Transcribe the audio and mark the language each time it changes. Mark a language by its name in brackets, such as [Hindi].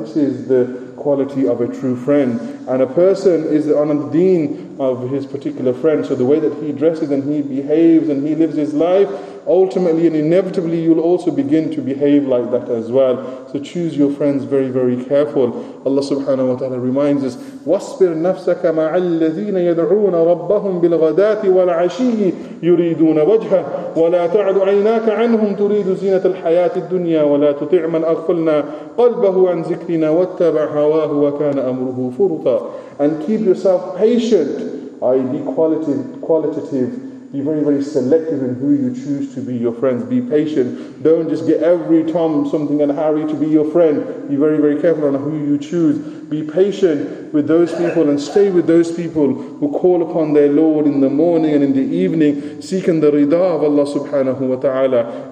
[English] This is the quality of a true friend. And a person is on the deen of his particular friend. So the way that he dresses and he behaves and he lives his life, ultimately and inevitably you'll also begin to behave like that as well. So choose your friends very, very careful. Allah subhanahu wa ta'ala reminds us, [Arabic] وَاصْبِرْ نَفْسَكَ مَعَ الَّذِينَ يَدْعُونَ رَبَّهُمْ بِالْغَدَاتِ وَالْعَشِيِّ يُرِيدُونَ وَجْهَهُ وَلَا تَعْدُ عَيْنَاكَ عَنْهُمْ تُرِيدُ زِينَةَ الْحَيَاةِ الدُّنْيَا وَلَا تُطِعْ مَنْ أَغْفَلْنَا قَلْبَهُ عَنْ ذِكْرِنَا وَاتَّبَعَ هَوَاهُ وَكَانَ أَمْرُهُ فُرُطًا. [English] And keep yourself patient, i.e. be qualitative. Be very, very selective in who you choose to be your friends. Be patient. Don't just get every Tom, something and Harry to be your friend. Be very, very careful on who you choose. Be patient with those people and stay with those people who call upon their Lord in the morning and in the evening, seeking the rida of Allah subhanahu wa ta'ala.